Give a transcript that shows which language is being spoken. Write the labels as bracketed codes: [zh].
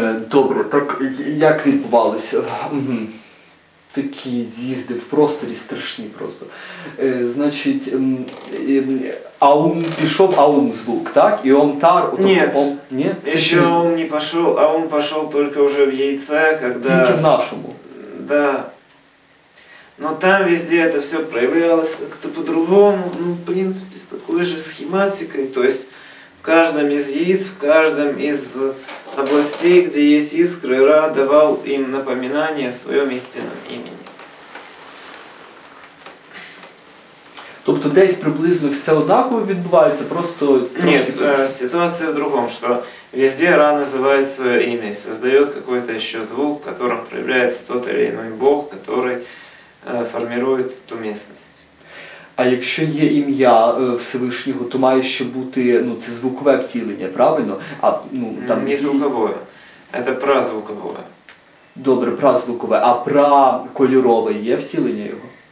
[uk] Добре, так як відбувалося? Такі з'їзди в просторі страшні просто. Значить, Аум пішов, Аум звук, так? І Омтар... Ні, ні? Ще Аум не пішов, Аум пішов тільки вже [ru] в яйце, [uk] коли... Тільки в нашому. Да. [ru] Но там везде это все проявлялось как-то по-другому, ну, в принципе, с такой же схематикой. То есть в каждом из яиц, в каждом из областей, где есть искры, Ра давал им напоминание о своем истинном имени. [uk] Тобто десь приблизно все однаково відбувається, просто... [ru] Нет, ситуация в другом, что везде Ра называет свое имя и создает какой-то еще звук, в котором проявляется тот или иной бог, который... формирует ту местность. [uk] А якщо є ім'я Всевишнього, то має ще бути, ну, це звукове втілення, правильно? А, ну, там... Не звукове, це празвукове. Добре, празвукове. А пракольорове є втілення його?